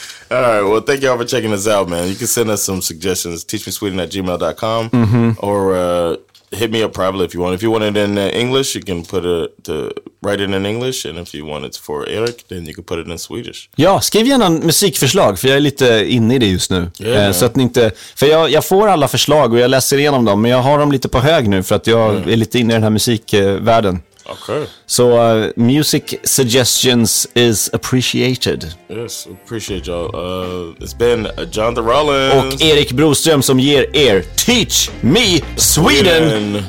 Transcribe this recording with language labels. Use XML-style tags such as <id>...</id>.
<en>All right, well, thank you all for checking us out, man. You can send us some suggestions, teachmesweden@gmail.com, or hit me up privately if you want. If you want it in English, you can put it to write it in English, and if you want it for Eric, then you can put it in Swedish.</en> <sv>Ja, skriv gärna musikförslag, för jag är lite inne i det just nu.</sv> <en>Yeah,</en> <sv>så att ni inte, för jag får alla förslag och jag läser igenom dem, men jag har dem lite på hög nu för att jag är lite inne i den här musikvärlden.</sv> <en>Okay. So music suggestions is appreciated. Yes, appreciate y'all. It's been Jonathan Rollins</en> <sv>och Erik Broström som ger er Teach Me Sweden.</sv>